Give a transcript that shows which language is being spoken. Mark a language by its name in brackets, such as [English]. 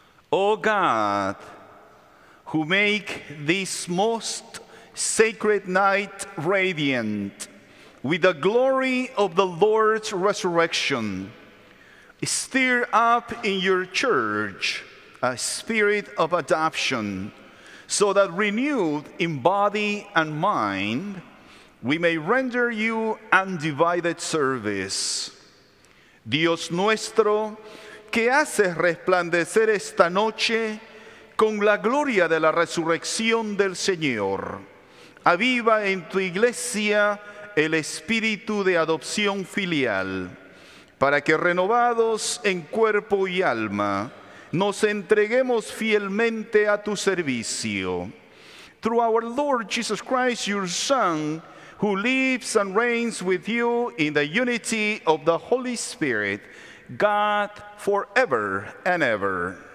[English] O God, who make this most sacred night radiant with the glory of the Lord's resurrection, stir up in your church a spirit of adoption, so that renewed in body and mind, we may render you undivided service. [Spanish] Dios nuestro, que hace resplandecer esta noche con la gloria de la resurrección del Señor, aviva en tu iglesia el espíritu de adopción filial, para que renovados en cuerpo y alma, nos entreguemos fielmente a tu servicio. [English] Through our Lord Jesus Christ, your Son, who lives and reigns with you in the unity of the Holy Spirit, God forever and ever.